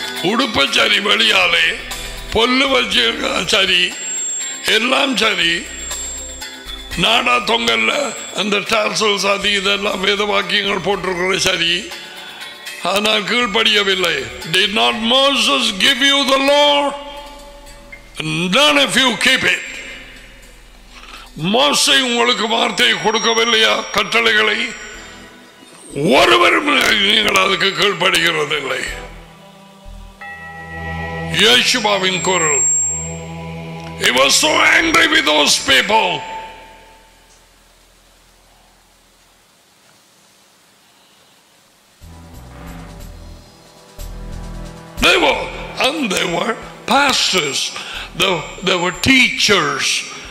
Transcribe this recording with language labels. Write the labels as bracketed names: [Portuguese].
[Tamil] உடுப்பச்சரி வழியாலே பொல்லு சரி எல்லாம் சரி நாடா தொங்கல்ல அந்த டார்சல்ஸ் அது இதெல்லாம் வேத வாக்கியங்கள் போட்டிருக்கிற சரி ஆனால் கீழ்படியவில்லை. [English] Did not Moses give you the law? None of you keep it. [Tamil] மோசே உங்களுக்கு வார்த்தையை கொடுக்கவில்லையா? கட்டளைகளை ஒருவரும் நீங்கள் அதுக்கு கீழ்படுகிறதில்லை. யேசுவாவின் குரல். [English] He was so angry with those people. They were pastors. They were teachers.